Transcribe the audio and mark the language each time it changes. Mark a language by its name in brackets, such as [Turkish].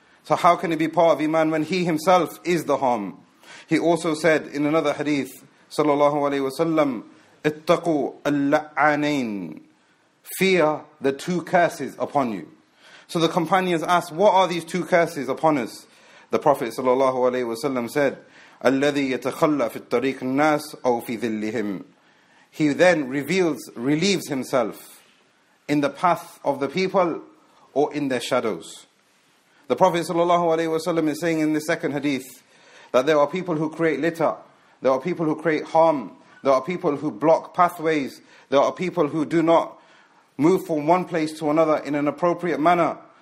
[English] So how can he be part of Iman when he himself is the harm? He also said in another hadith, sallallahu alayhi wa sallam, [Arabic] اتقوا اللعانين, [English] fear the two curses upon you. So the companions asked, what are these two curses upon us? The Prophet sallallahu alayhi wa sallam said, [Arabic] الذي يتخلى في الطريق الناس أو في ذلهم. [English] He then relieves himself in the path of the people or in their shadows. The Prophet ﷺ is saying in the second hadith that there are people who create litter, there are people who create harm, there are people who block pathways, there are people who do not move from one place to another in an appropriate manner.